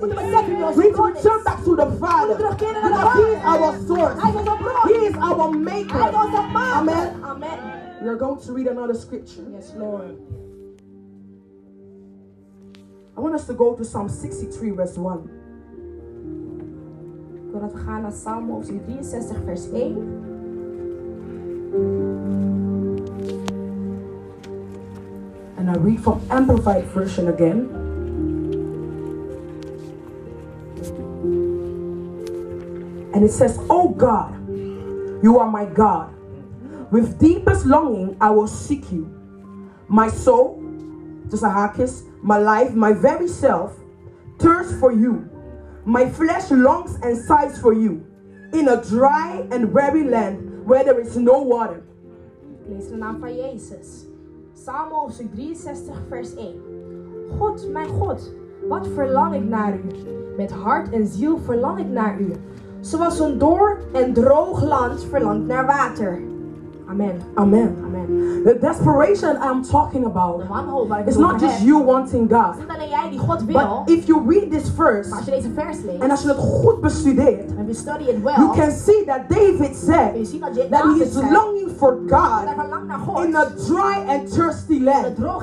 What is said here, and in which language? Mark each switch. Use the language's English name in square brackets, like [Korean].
[English] We need to return back to the Father. Because He is our source. He is our maker. Amen. We are going to read another scripture. Yes, Lord. I want us to go to Psalm 63, verse 1. [Dutch] Laten we gaan naar Psalm 63, vers 1. [English] And I read from Amplified Version again. And it says, "Oh God, you are my God. With deepest longing, I will seek you. My soul, just a hakis, my life, my very self, thirsts for you. My flesh longs and sighs for you. In a dry and weary land where there is no water." [Dutch] Lees de naam van Jezus. Psalm 63, vers 1. God, mijn God, wat verlang ik naar u. Met hart en ziel verlang ik naar u. Zoals een dor en droog land verlangt naar water. Amen. Amen. Amen. [English] The desperation I'm talking about is not just you wanting God. But if you read this verse, and as you have [Dutch] goed bestudeert, [English] you can see that David said that he is longing for God in a dry and thirsty land.